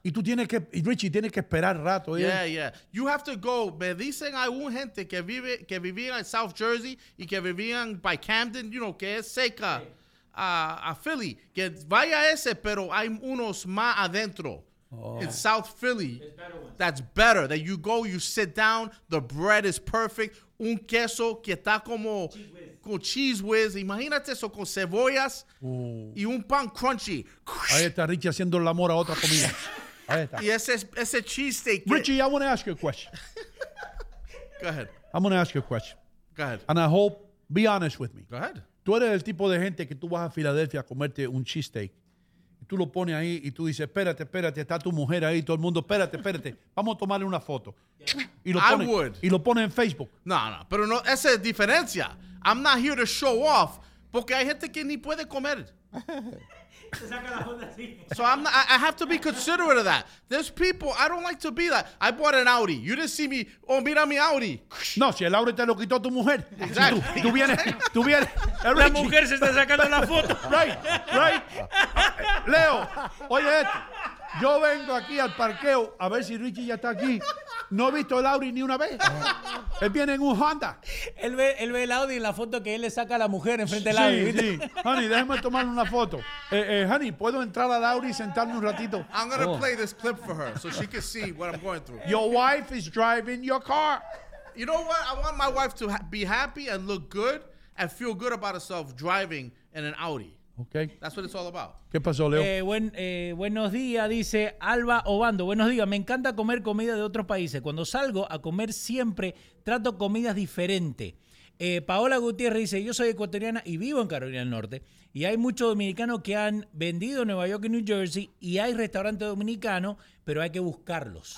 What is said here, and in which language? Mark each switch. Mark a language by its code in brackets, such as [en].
[es] Y tú tienes que, y Richie, tienes que esperar rato. [en] Yeah, yeah. You have to go. [es] Me dicen hay un gente que vivía en South Jersey y que vivían by Camden, [en] you know, [es] que es cerca a Philly. Que vaya ese, pero hay unos más adentro. Oh. [en] In South Philly, it's better ones. That's better. That you go, you sit down, the bread is perfect. [es] Un queso que está como con cheese whiz. Imagínate eso con cebollas y un pan crunchy. Ahí está Richie haciendo el amor a otra comida. Ahí está. Y ese cheesesteak. [en] Richie, I want to ask you a question. Go ahead. I'm going to ask you a question. Go ahead. And I hope, be honest with me. Go ahead. [es] Tú eres el tipo de gente que tú vas a Filadelfia a comerte un cheesesteak. Tú lo pones ahí y tú dices, espérate, está tu mujer ahí, todo el mundo, espérate. Vamos a tomarle una foto. Y lo pones en Facebook. No, pero no, esa es diferencia. [en] I'm not here to show off, [es] porque hay gente que ni puede comer. [en] So I'm not, I have to be considerate of that. There's people, I don't like to be that. I bought an Audi. You didn't see me, oh, [es] mira mi Audi. No, si el Audi te lo quitó tu mujer. [en] Exactly. [es] Tú vienes. La mujer se está sacando la foto. [en] Right. [es] Leo, oye, yo vengo aquí al parqueo a ver si Richie ya está aquí. No he visto el Audi ni una vez. Él viene en un Honda. Él ve el Audi en la foto que él le saca a la mujer enfrente del Audi. Sí, sí. Honey, déjame tomar una foto. Honey, ¿puedo entrar al Audi y sentarme un ratito? [en] I'm going to play this clip for her so she can see what I'm going through. Your wife is driving your car. You know what? I want my wife to be happy and look good and feel good about herself driving in an Audi. Okay. That's what it's all about. [es] ¿Qué pasó, Leo? Buenos días, dice Alba Obando. Buenos días, me encanta comer comida de otros países. Cuando salgo a comer siempre trato comidas diferentes. Paola Gutiérrez dice, yo soy ecuatoriana y vivo en Carolina del Norte. Y hay muchos dominicanos que han vendido en Nueva York y New Jersey y hay restaurantes dominicanos, pero hay que buscarlos.